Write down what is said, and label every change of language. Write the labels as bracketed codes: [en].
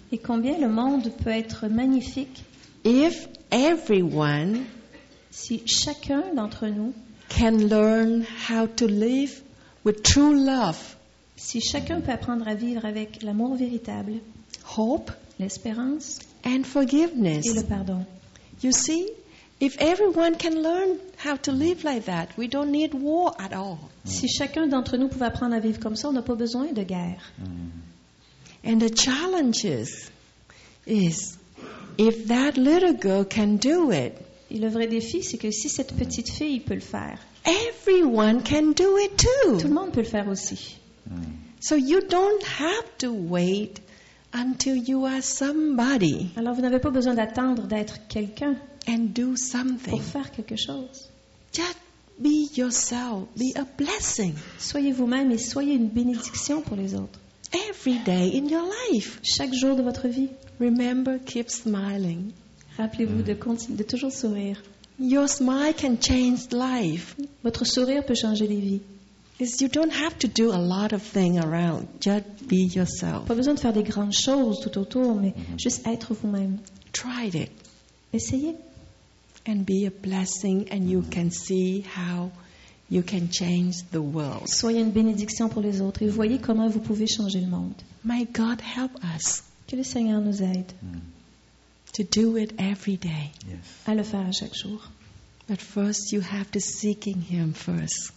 [fr] Et combien le monde peut être magnifique. [en] If everyone, [fr] si chacun d'entre nous, [en] can learn how to live with true love. [fr] Si chacun peut apprendre à vivre avec l'amour véritable, [en] hope, [fr] l'espérance, [en] and forgiveness, [fr] et le pardon. [en] You see, if everyone can learn how to live like that, we don't need war at all. [fr] Si chacun d'entre nous pouvait apprendre à vivre comme ça, on n'a pas besoin de guerre. [en] And the challenge is if that little girl can do it. [fr] Et le vrai défi, c'est que si cette petite fille peut le faire. [en] Everyone can do it too. [fr] Tout le monde peut le faire aussi. [en] So you don't have to wait until you are somebody. [fr] Alors vous n'avez pas besoin d'attendre d'être quelqu'un. [en] And do something. [fr] Pour faire quelque chose. [en] Just be yourself. Be a blessing. [fr] Soyez vous-même et soyez une bénédiction pour les autres. [en] Every day in your life. [fr] Chaque jour de votre vie. [en] Remember, keep smiling. [fr] Rappelez-vous de toujours sourire. [en] Your smile can change life. [fr] Votre sourire peut changer les vies. [en] Is you don't have to do a lot of things around. Just be yourself. [fr] Pas besoin de faire des grandes choses tout autour, mais juste être vous-même. [en] Try it. [fr] Essayez. [en] And be a blessing, and you can see how you can change the world. [fr] Soyez une bénédiction pour les autres, et voyez comment vous pouvez changer le monde. [en] May God help us. [fr] Que le Seigneur nous aide. [en] To do it every day. Yes. [fr] À le faire à chaque jour. [en] But first you have to seek him first.